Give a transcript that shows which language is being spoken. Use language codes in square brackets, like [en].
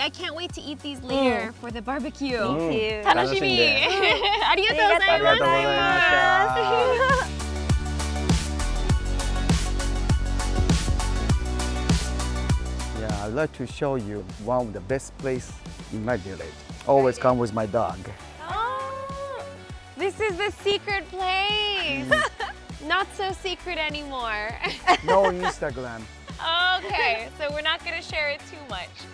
[en] I can't wait to eat these later for the barbecue! Me too! [ja] 楽しみ！ありがとうございました！ありがとうございました！ [en] I'd like to show you one of the best places in my village. Always come with my dog. Oh, this is the secret place. Not so secret anymore. No Instagram. Okay, so we're not going to share it too much.